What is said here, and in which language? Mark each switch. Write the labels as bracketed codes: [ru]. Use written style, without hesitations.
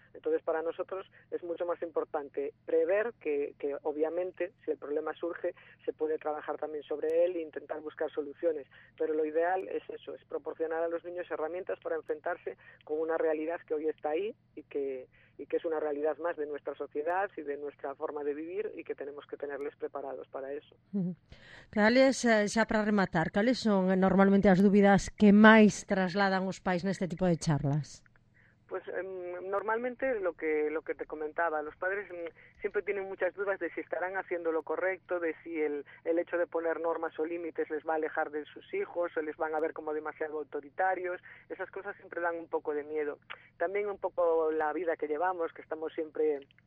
[es] Entonces, para nosotros es mucho más importante prever que obviamente, si el problema surge, se puede trabajar también sobre él e intentar buscar soluciones. Pero lo ideal es eso, es proporcionar a los niños herramientas para enfrentarse con una realidad que hoy está ahí y que es una realidad más de nuestra sociedad y de nuestra forma de vivir, y que tenemos que tenerles preparados para eso. [gl] Cales, xa para rematar, cales son normalmente as dúbidas que máis trasladan os pais neste tipo de charlas? [es] Pues normalmente lo que te comentaba, los padres siempre tienen muchas dudas de si estarán haciendo lo correcto, de si el hecho de poner normas o límites les va a alejar de sus hijos o les van a ver como demasiado autoritarios. Esas cosas siempre dan un poco de miedo. También un poco la vida que llevamos, que estamos siempre